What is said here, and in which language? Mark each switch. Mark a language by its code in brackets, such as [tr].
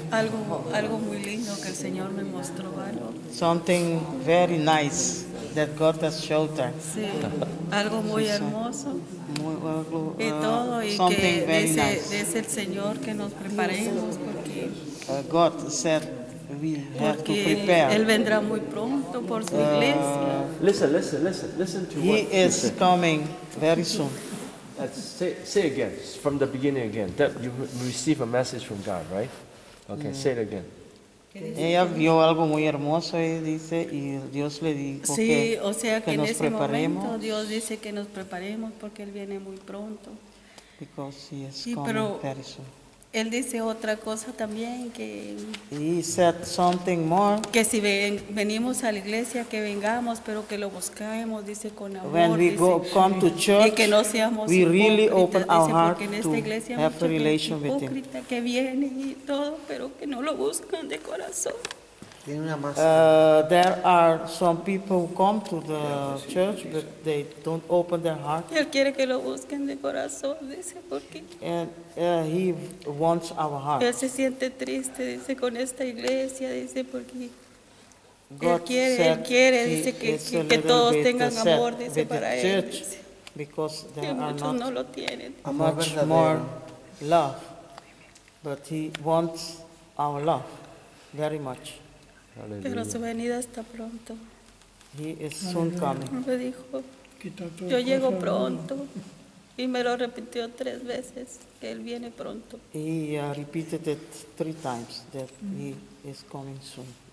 [es] Algo muy lindo que el Señor me mostró. [en] Something very nice that God has showed her. [es] Sí, algo muy hermoso. Muy, algo, y todo, y [en] something [es] que [en] very nice. [es] Es el Señor que nos preparemos porque. [en] God said. We have [es] porque [en] to prepare. [es] Él vendrá muy pronto por su iglesia. [en] Listen to what he is said. Coming very soon. Say again, from the beginning again. That you receive a message from God, right? Okay, say it again. [es] Ella vio algo muy hermoso y dice, y Dios le dijo que nos preparemos. Sí, o sea, que en ese momento Dios dice que nos preparemos porque Él viene muy pronto. [en] Because he is coming very soon. [es] Él dice otra cosa también que. [en] He said something more. [es] Que si venimos a la iglesia, que vengamos, pero que lo busquemos, dice con amor. [en] When we [es] dice, [en] go come to church, [es] y que no seamos [en] we really open our heart to have a relation with him. [es] Que viene y todo, pero que no lo buscan de corazón. [en] There are some people who come to the church, but they don't open their heart. [es] Él quiere que lo busquen de corazón, dice, porque. [en] And he wants our heart. [es] Él se siente triste, dice, con esta iglesia, dice, porque. Él quiere, dice, que todos tengan amor, dice, para él. [en] Church, because there are not [es] no lo tienen. [en] Much more love, but he wants our love very much. [es] Pero su venida está pronto. [en] He is soon coming. [es] Me dijo, yo llego pronto. Y me lo repitió tres veces, que él viene pronto. [en] He repeated it three times, that he is coming soon.